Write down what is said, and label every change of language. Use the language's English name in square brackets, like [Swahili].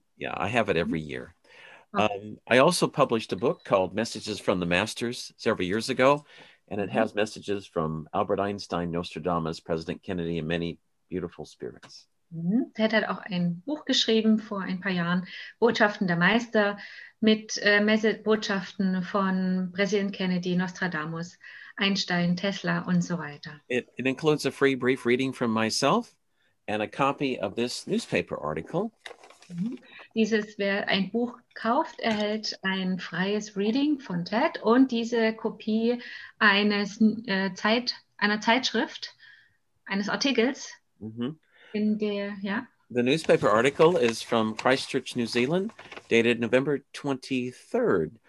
[English] Yeah, I have it every year. I also published a book called Messages from the Masters several years ago. And it has messages from Albert Einstein, Nostradamus, President Kennedy, and many beautiful spirits. [German] Ted hat auch ein Buch geschrieben vor ein paar Jahren, Botschaften der Meister, mit Botschaften von President Kennedy, Nostradamus, Einstein, Tesla und so weiter. [English] It includes a free brief reading from myself and a copy of this newspaper article. [German] Dieses, wer ein Buch kauft, erhält ein freies Reading von Ted und diese Kopie einer Zeitschrift, eines Artikels. Mm-hmm. In der, ja. [English] The newspaper article is from Christchurch, New Zealand, dated November 23rd,